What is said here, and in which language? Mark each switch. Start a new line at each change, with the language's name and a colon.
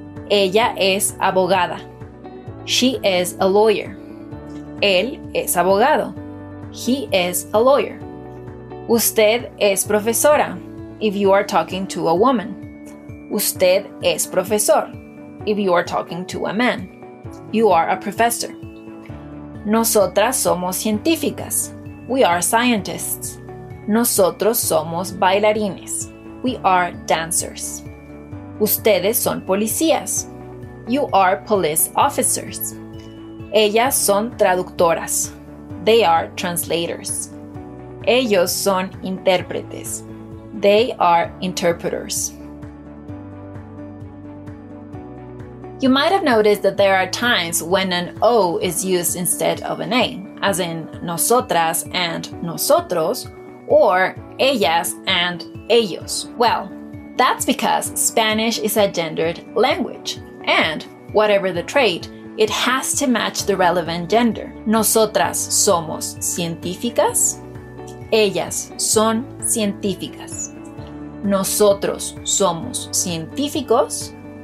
Spanish: Ella es abogada.
English: She is a lawyer.
Spanish: Él es abogado.
English: He is a lawyer.
Spanish: Usted es profesora.
English: If you are talking to a woman.
Spanish: Usted es profesor.
English: If you are talking to a man. You are a professor.
Spanish: Nosotras somos científicas.
English: We are scientists.
Spanish: Nosotros somos bailarines.
English: We are dancers.
Spanish: Ustedes son policías.
English: You are police officers.
Spanish: Ellas son traductoras.
English: They are translators.
Spanish: Ellos son intérpretes.
English: They are interpreters. You might have noticed that there are times when an O is used instead of an A, as in nosotras and nosotros, or ellas and ellos. Well, that's because Spanish is a gendered language, and whatever the trait, it has to match the relevant gender.
Spanish: Nosotras somos científicas. Ellas son científicas. Nosotros somos científicos.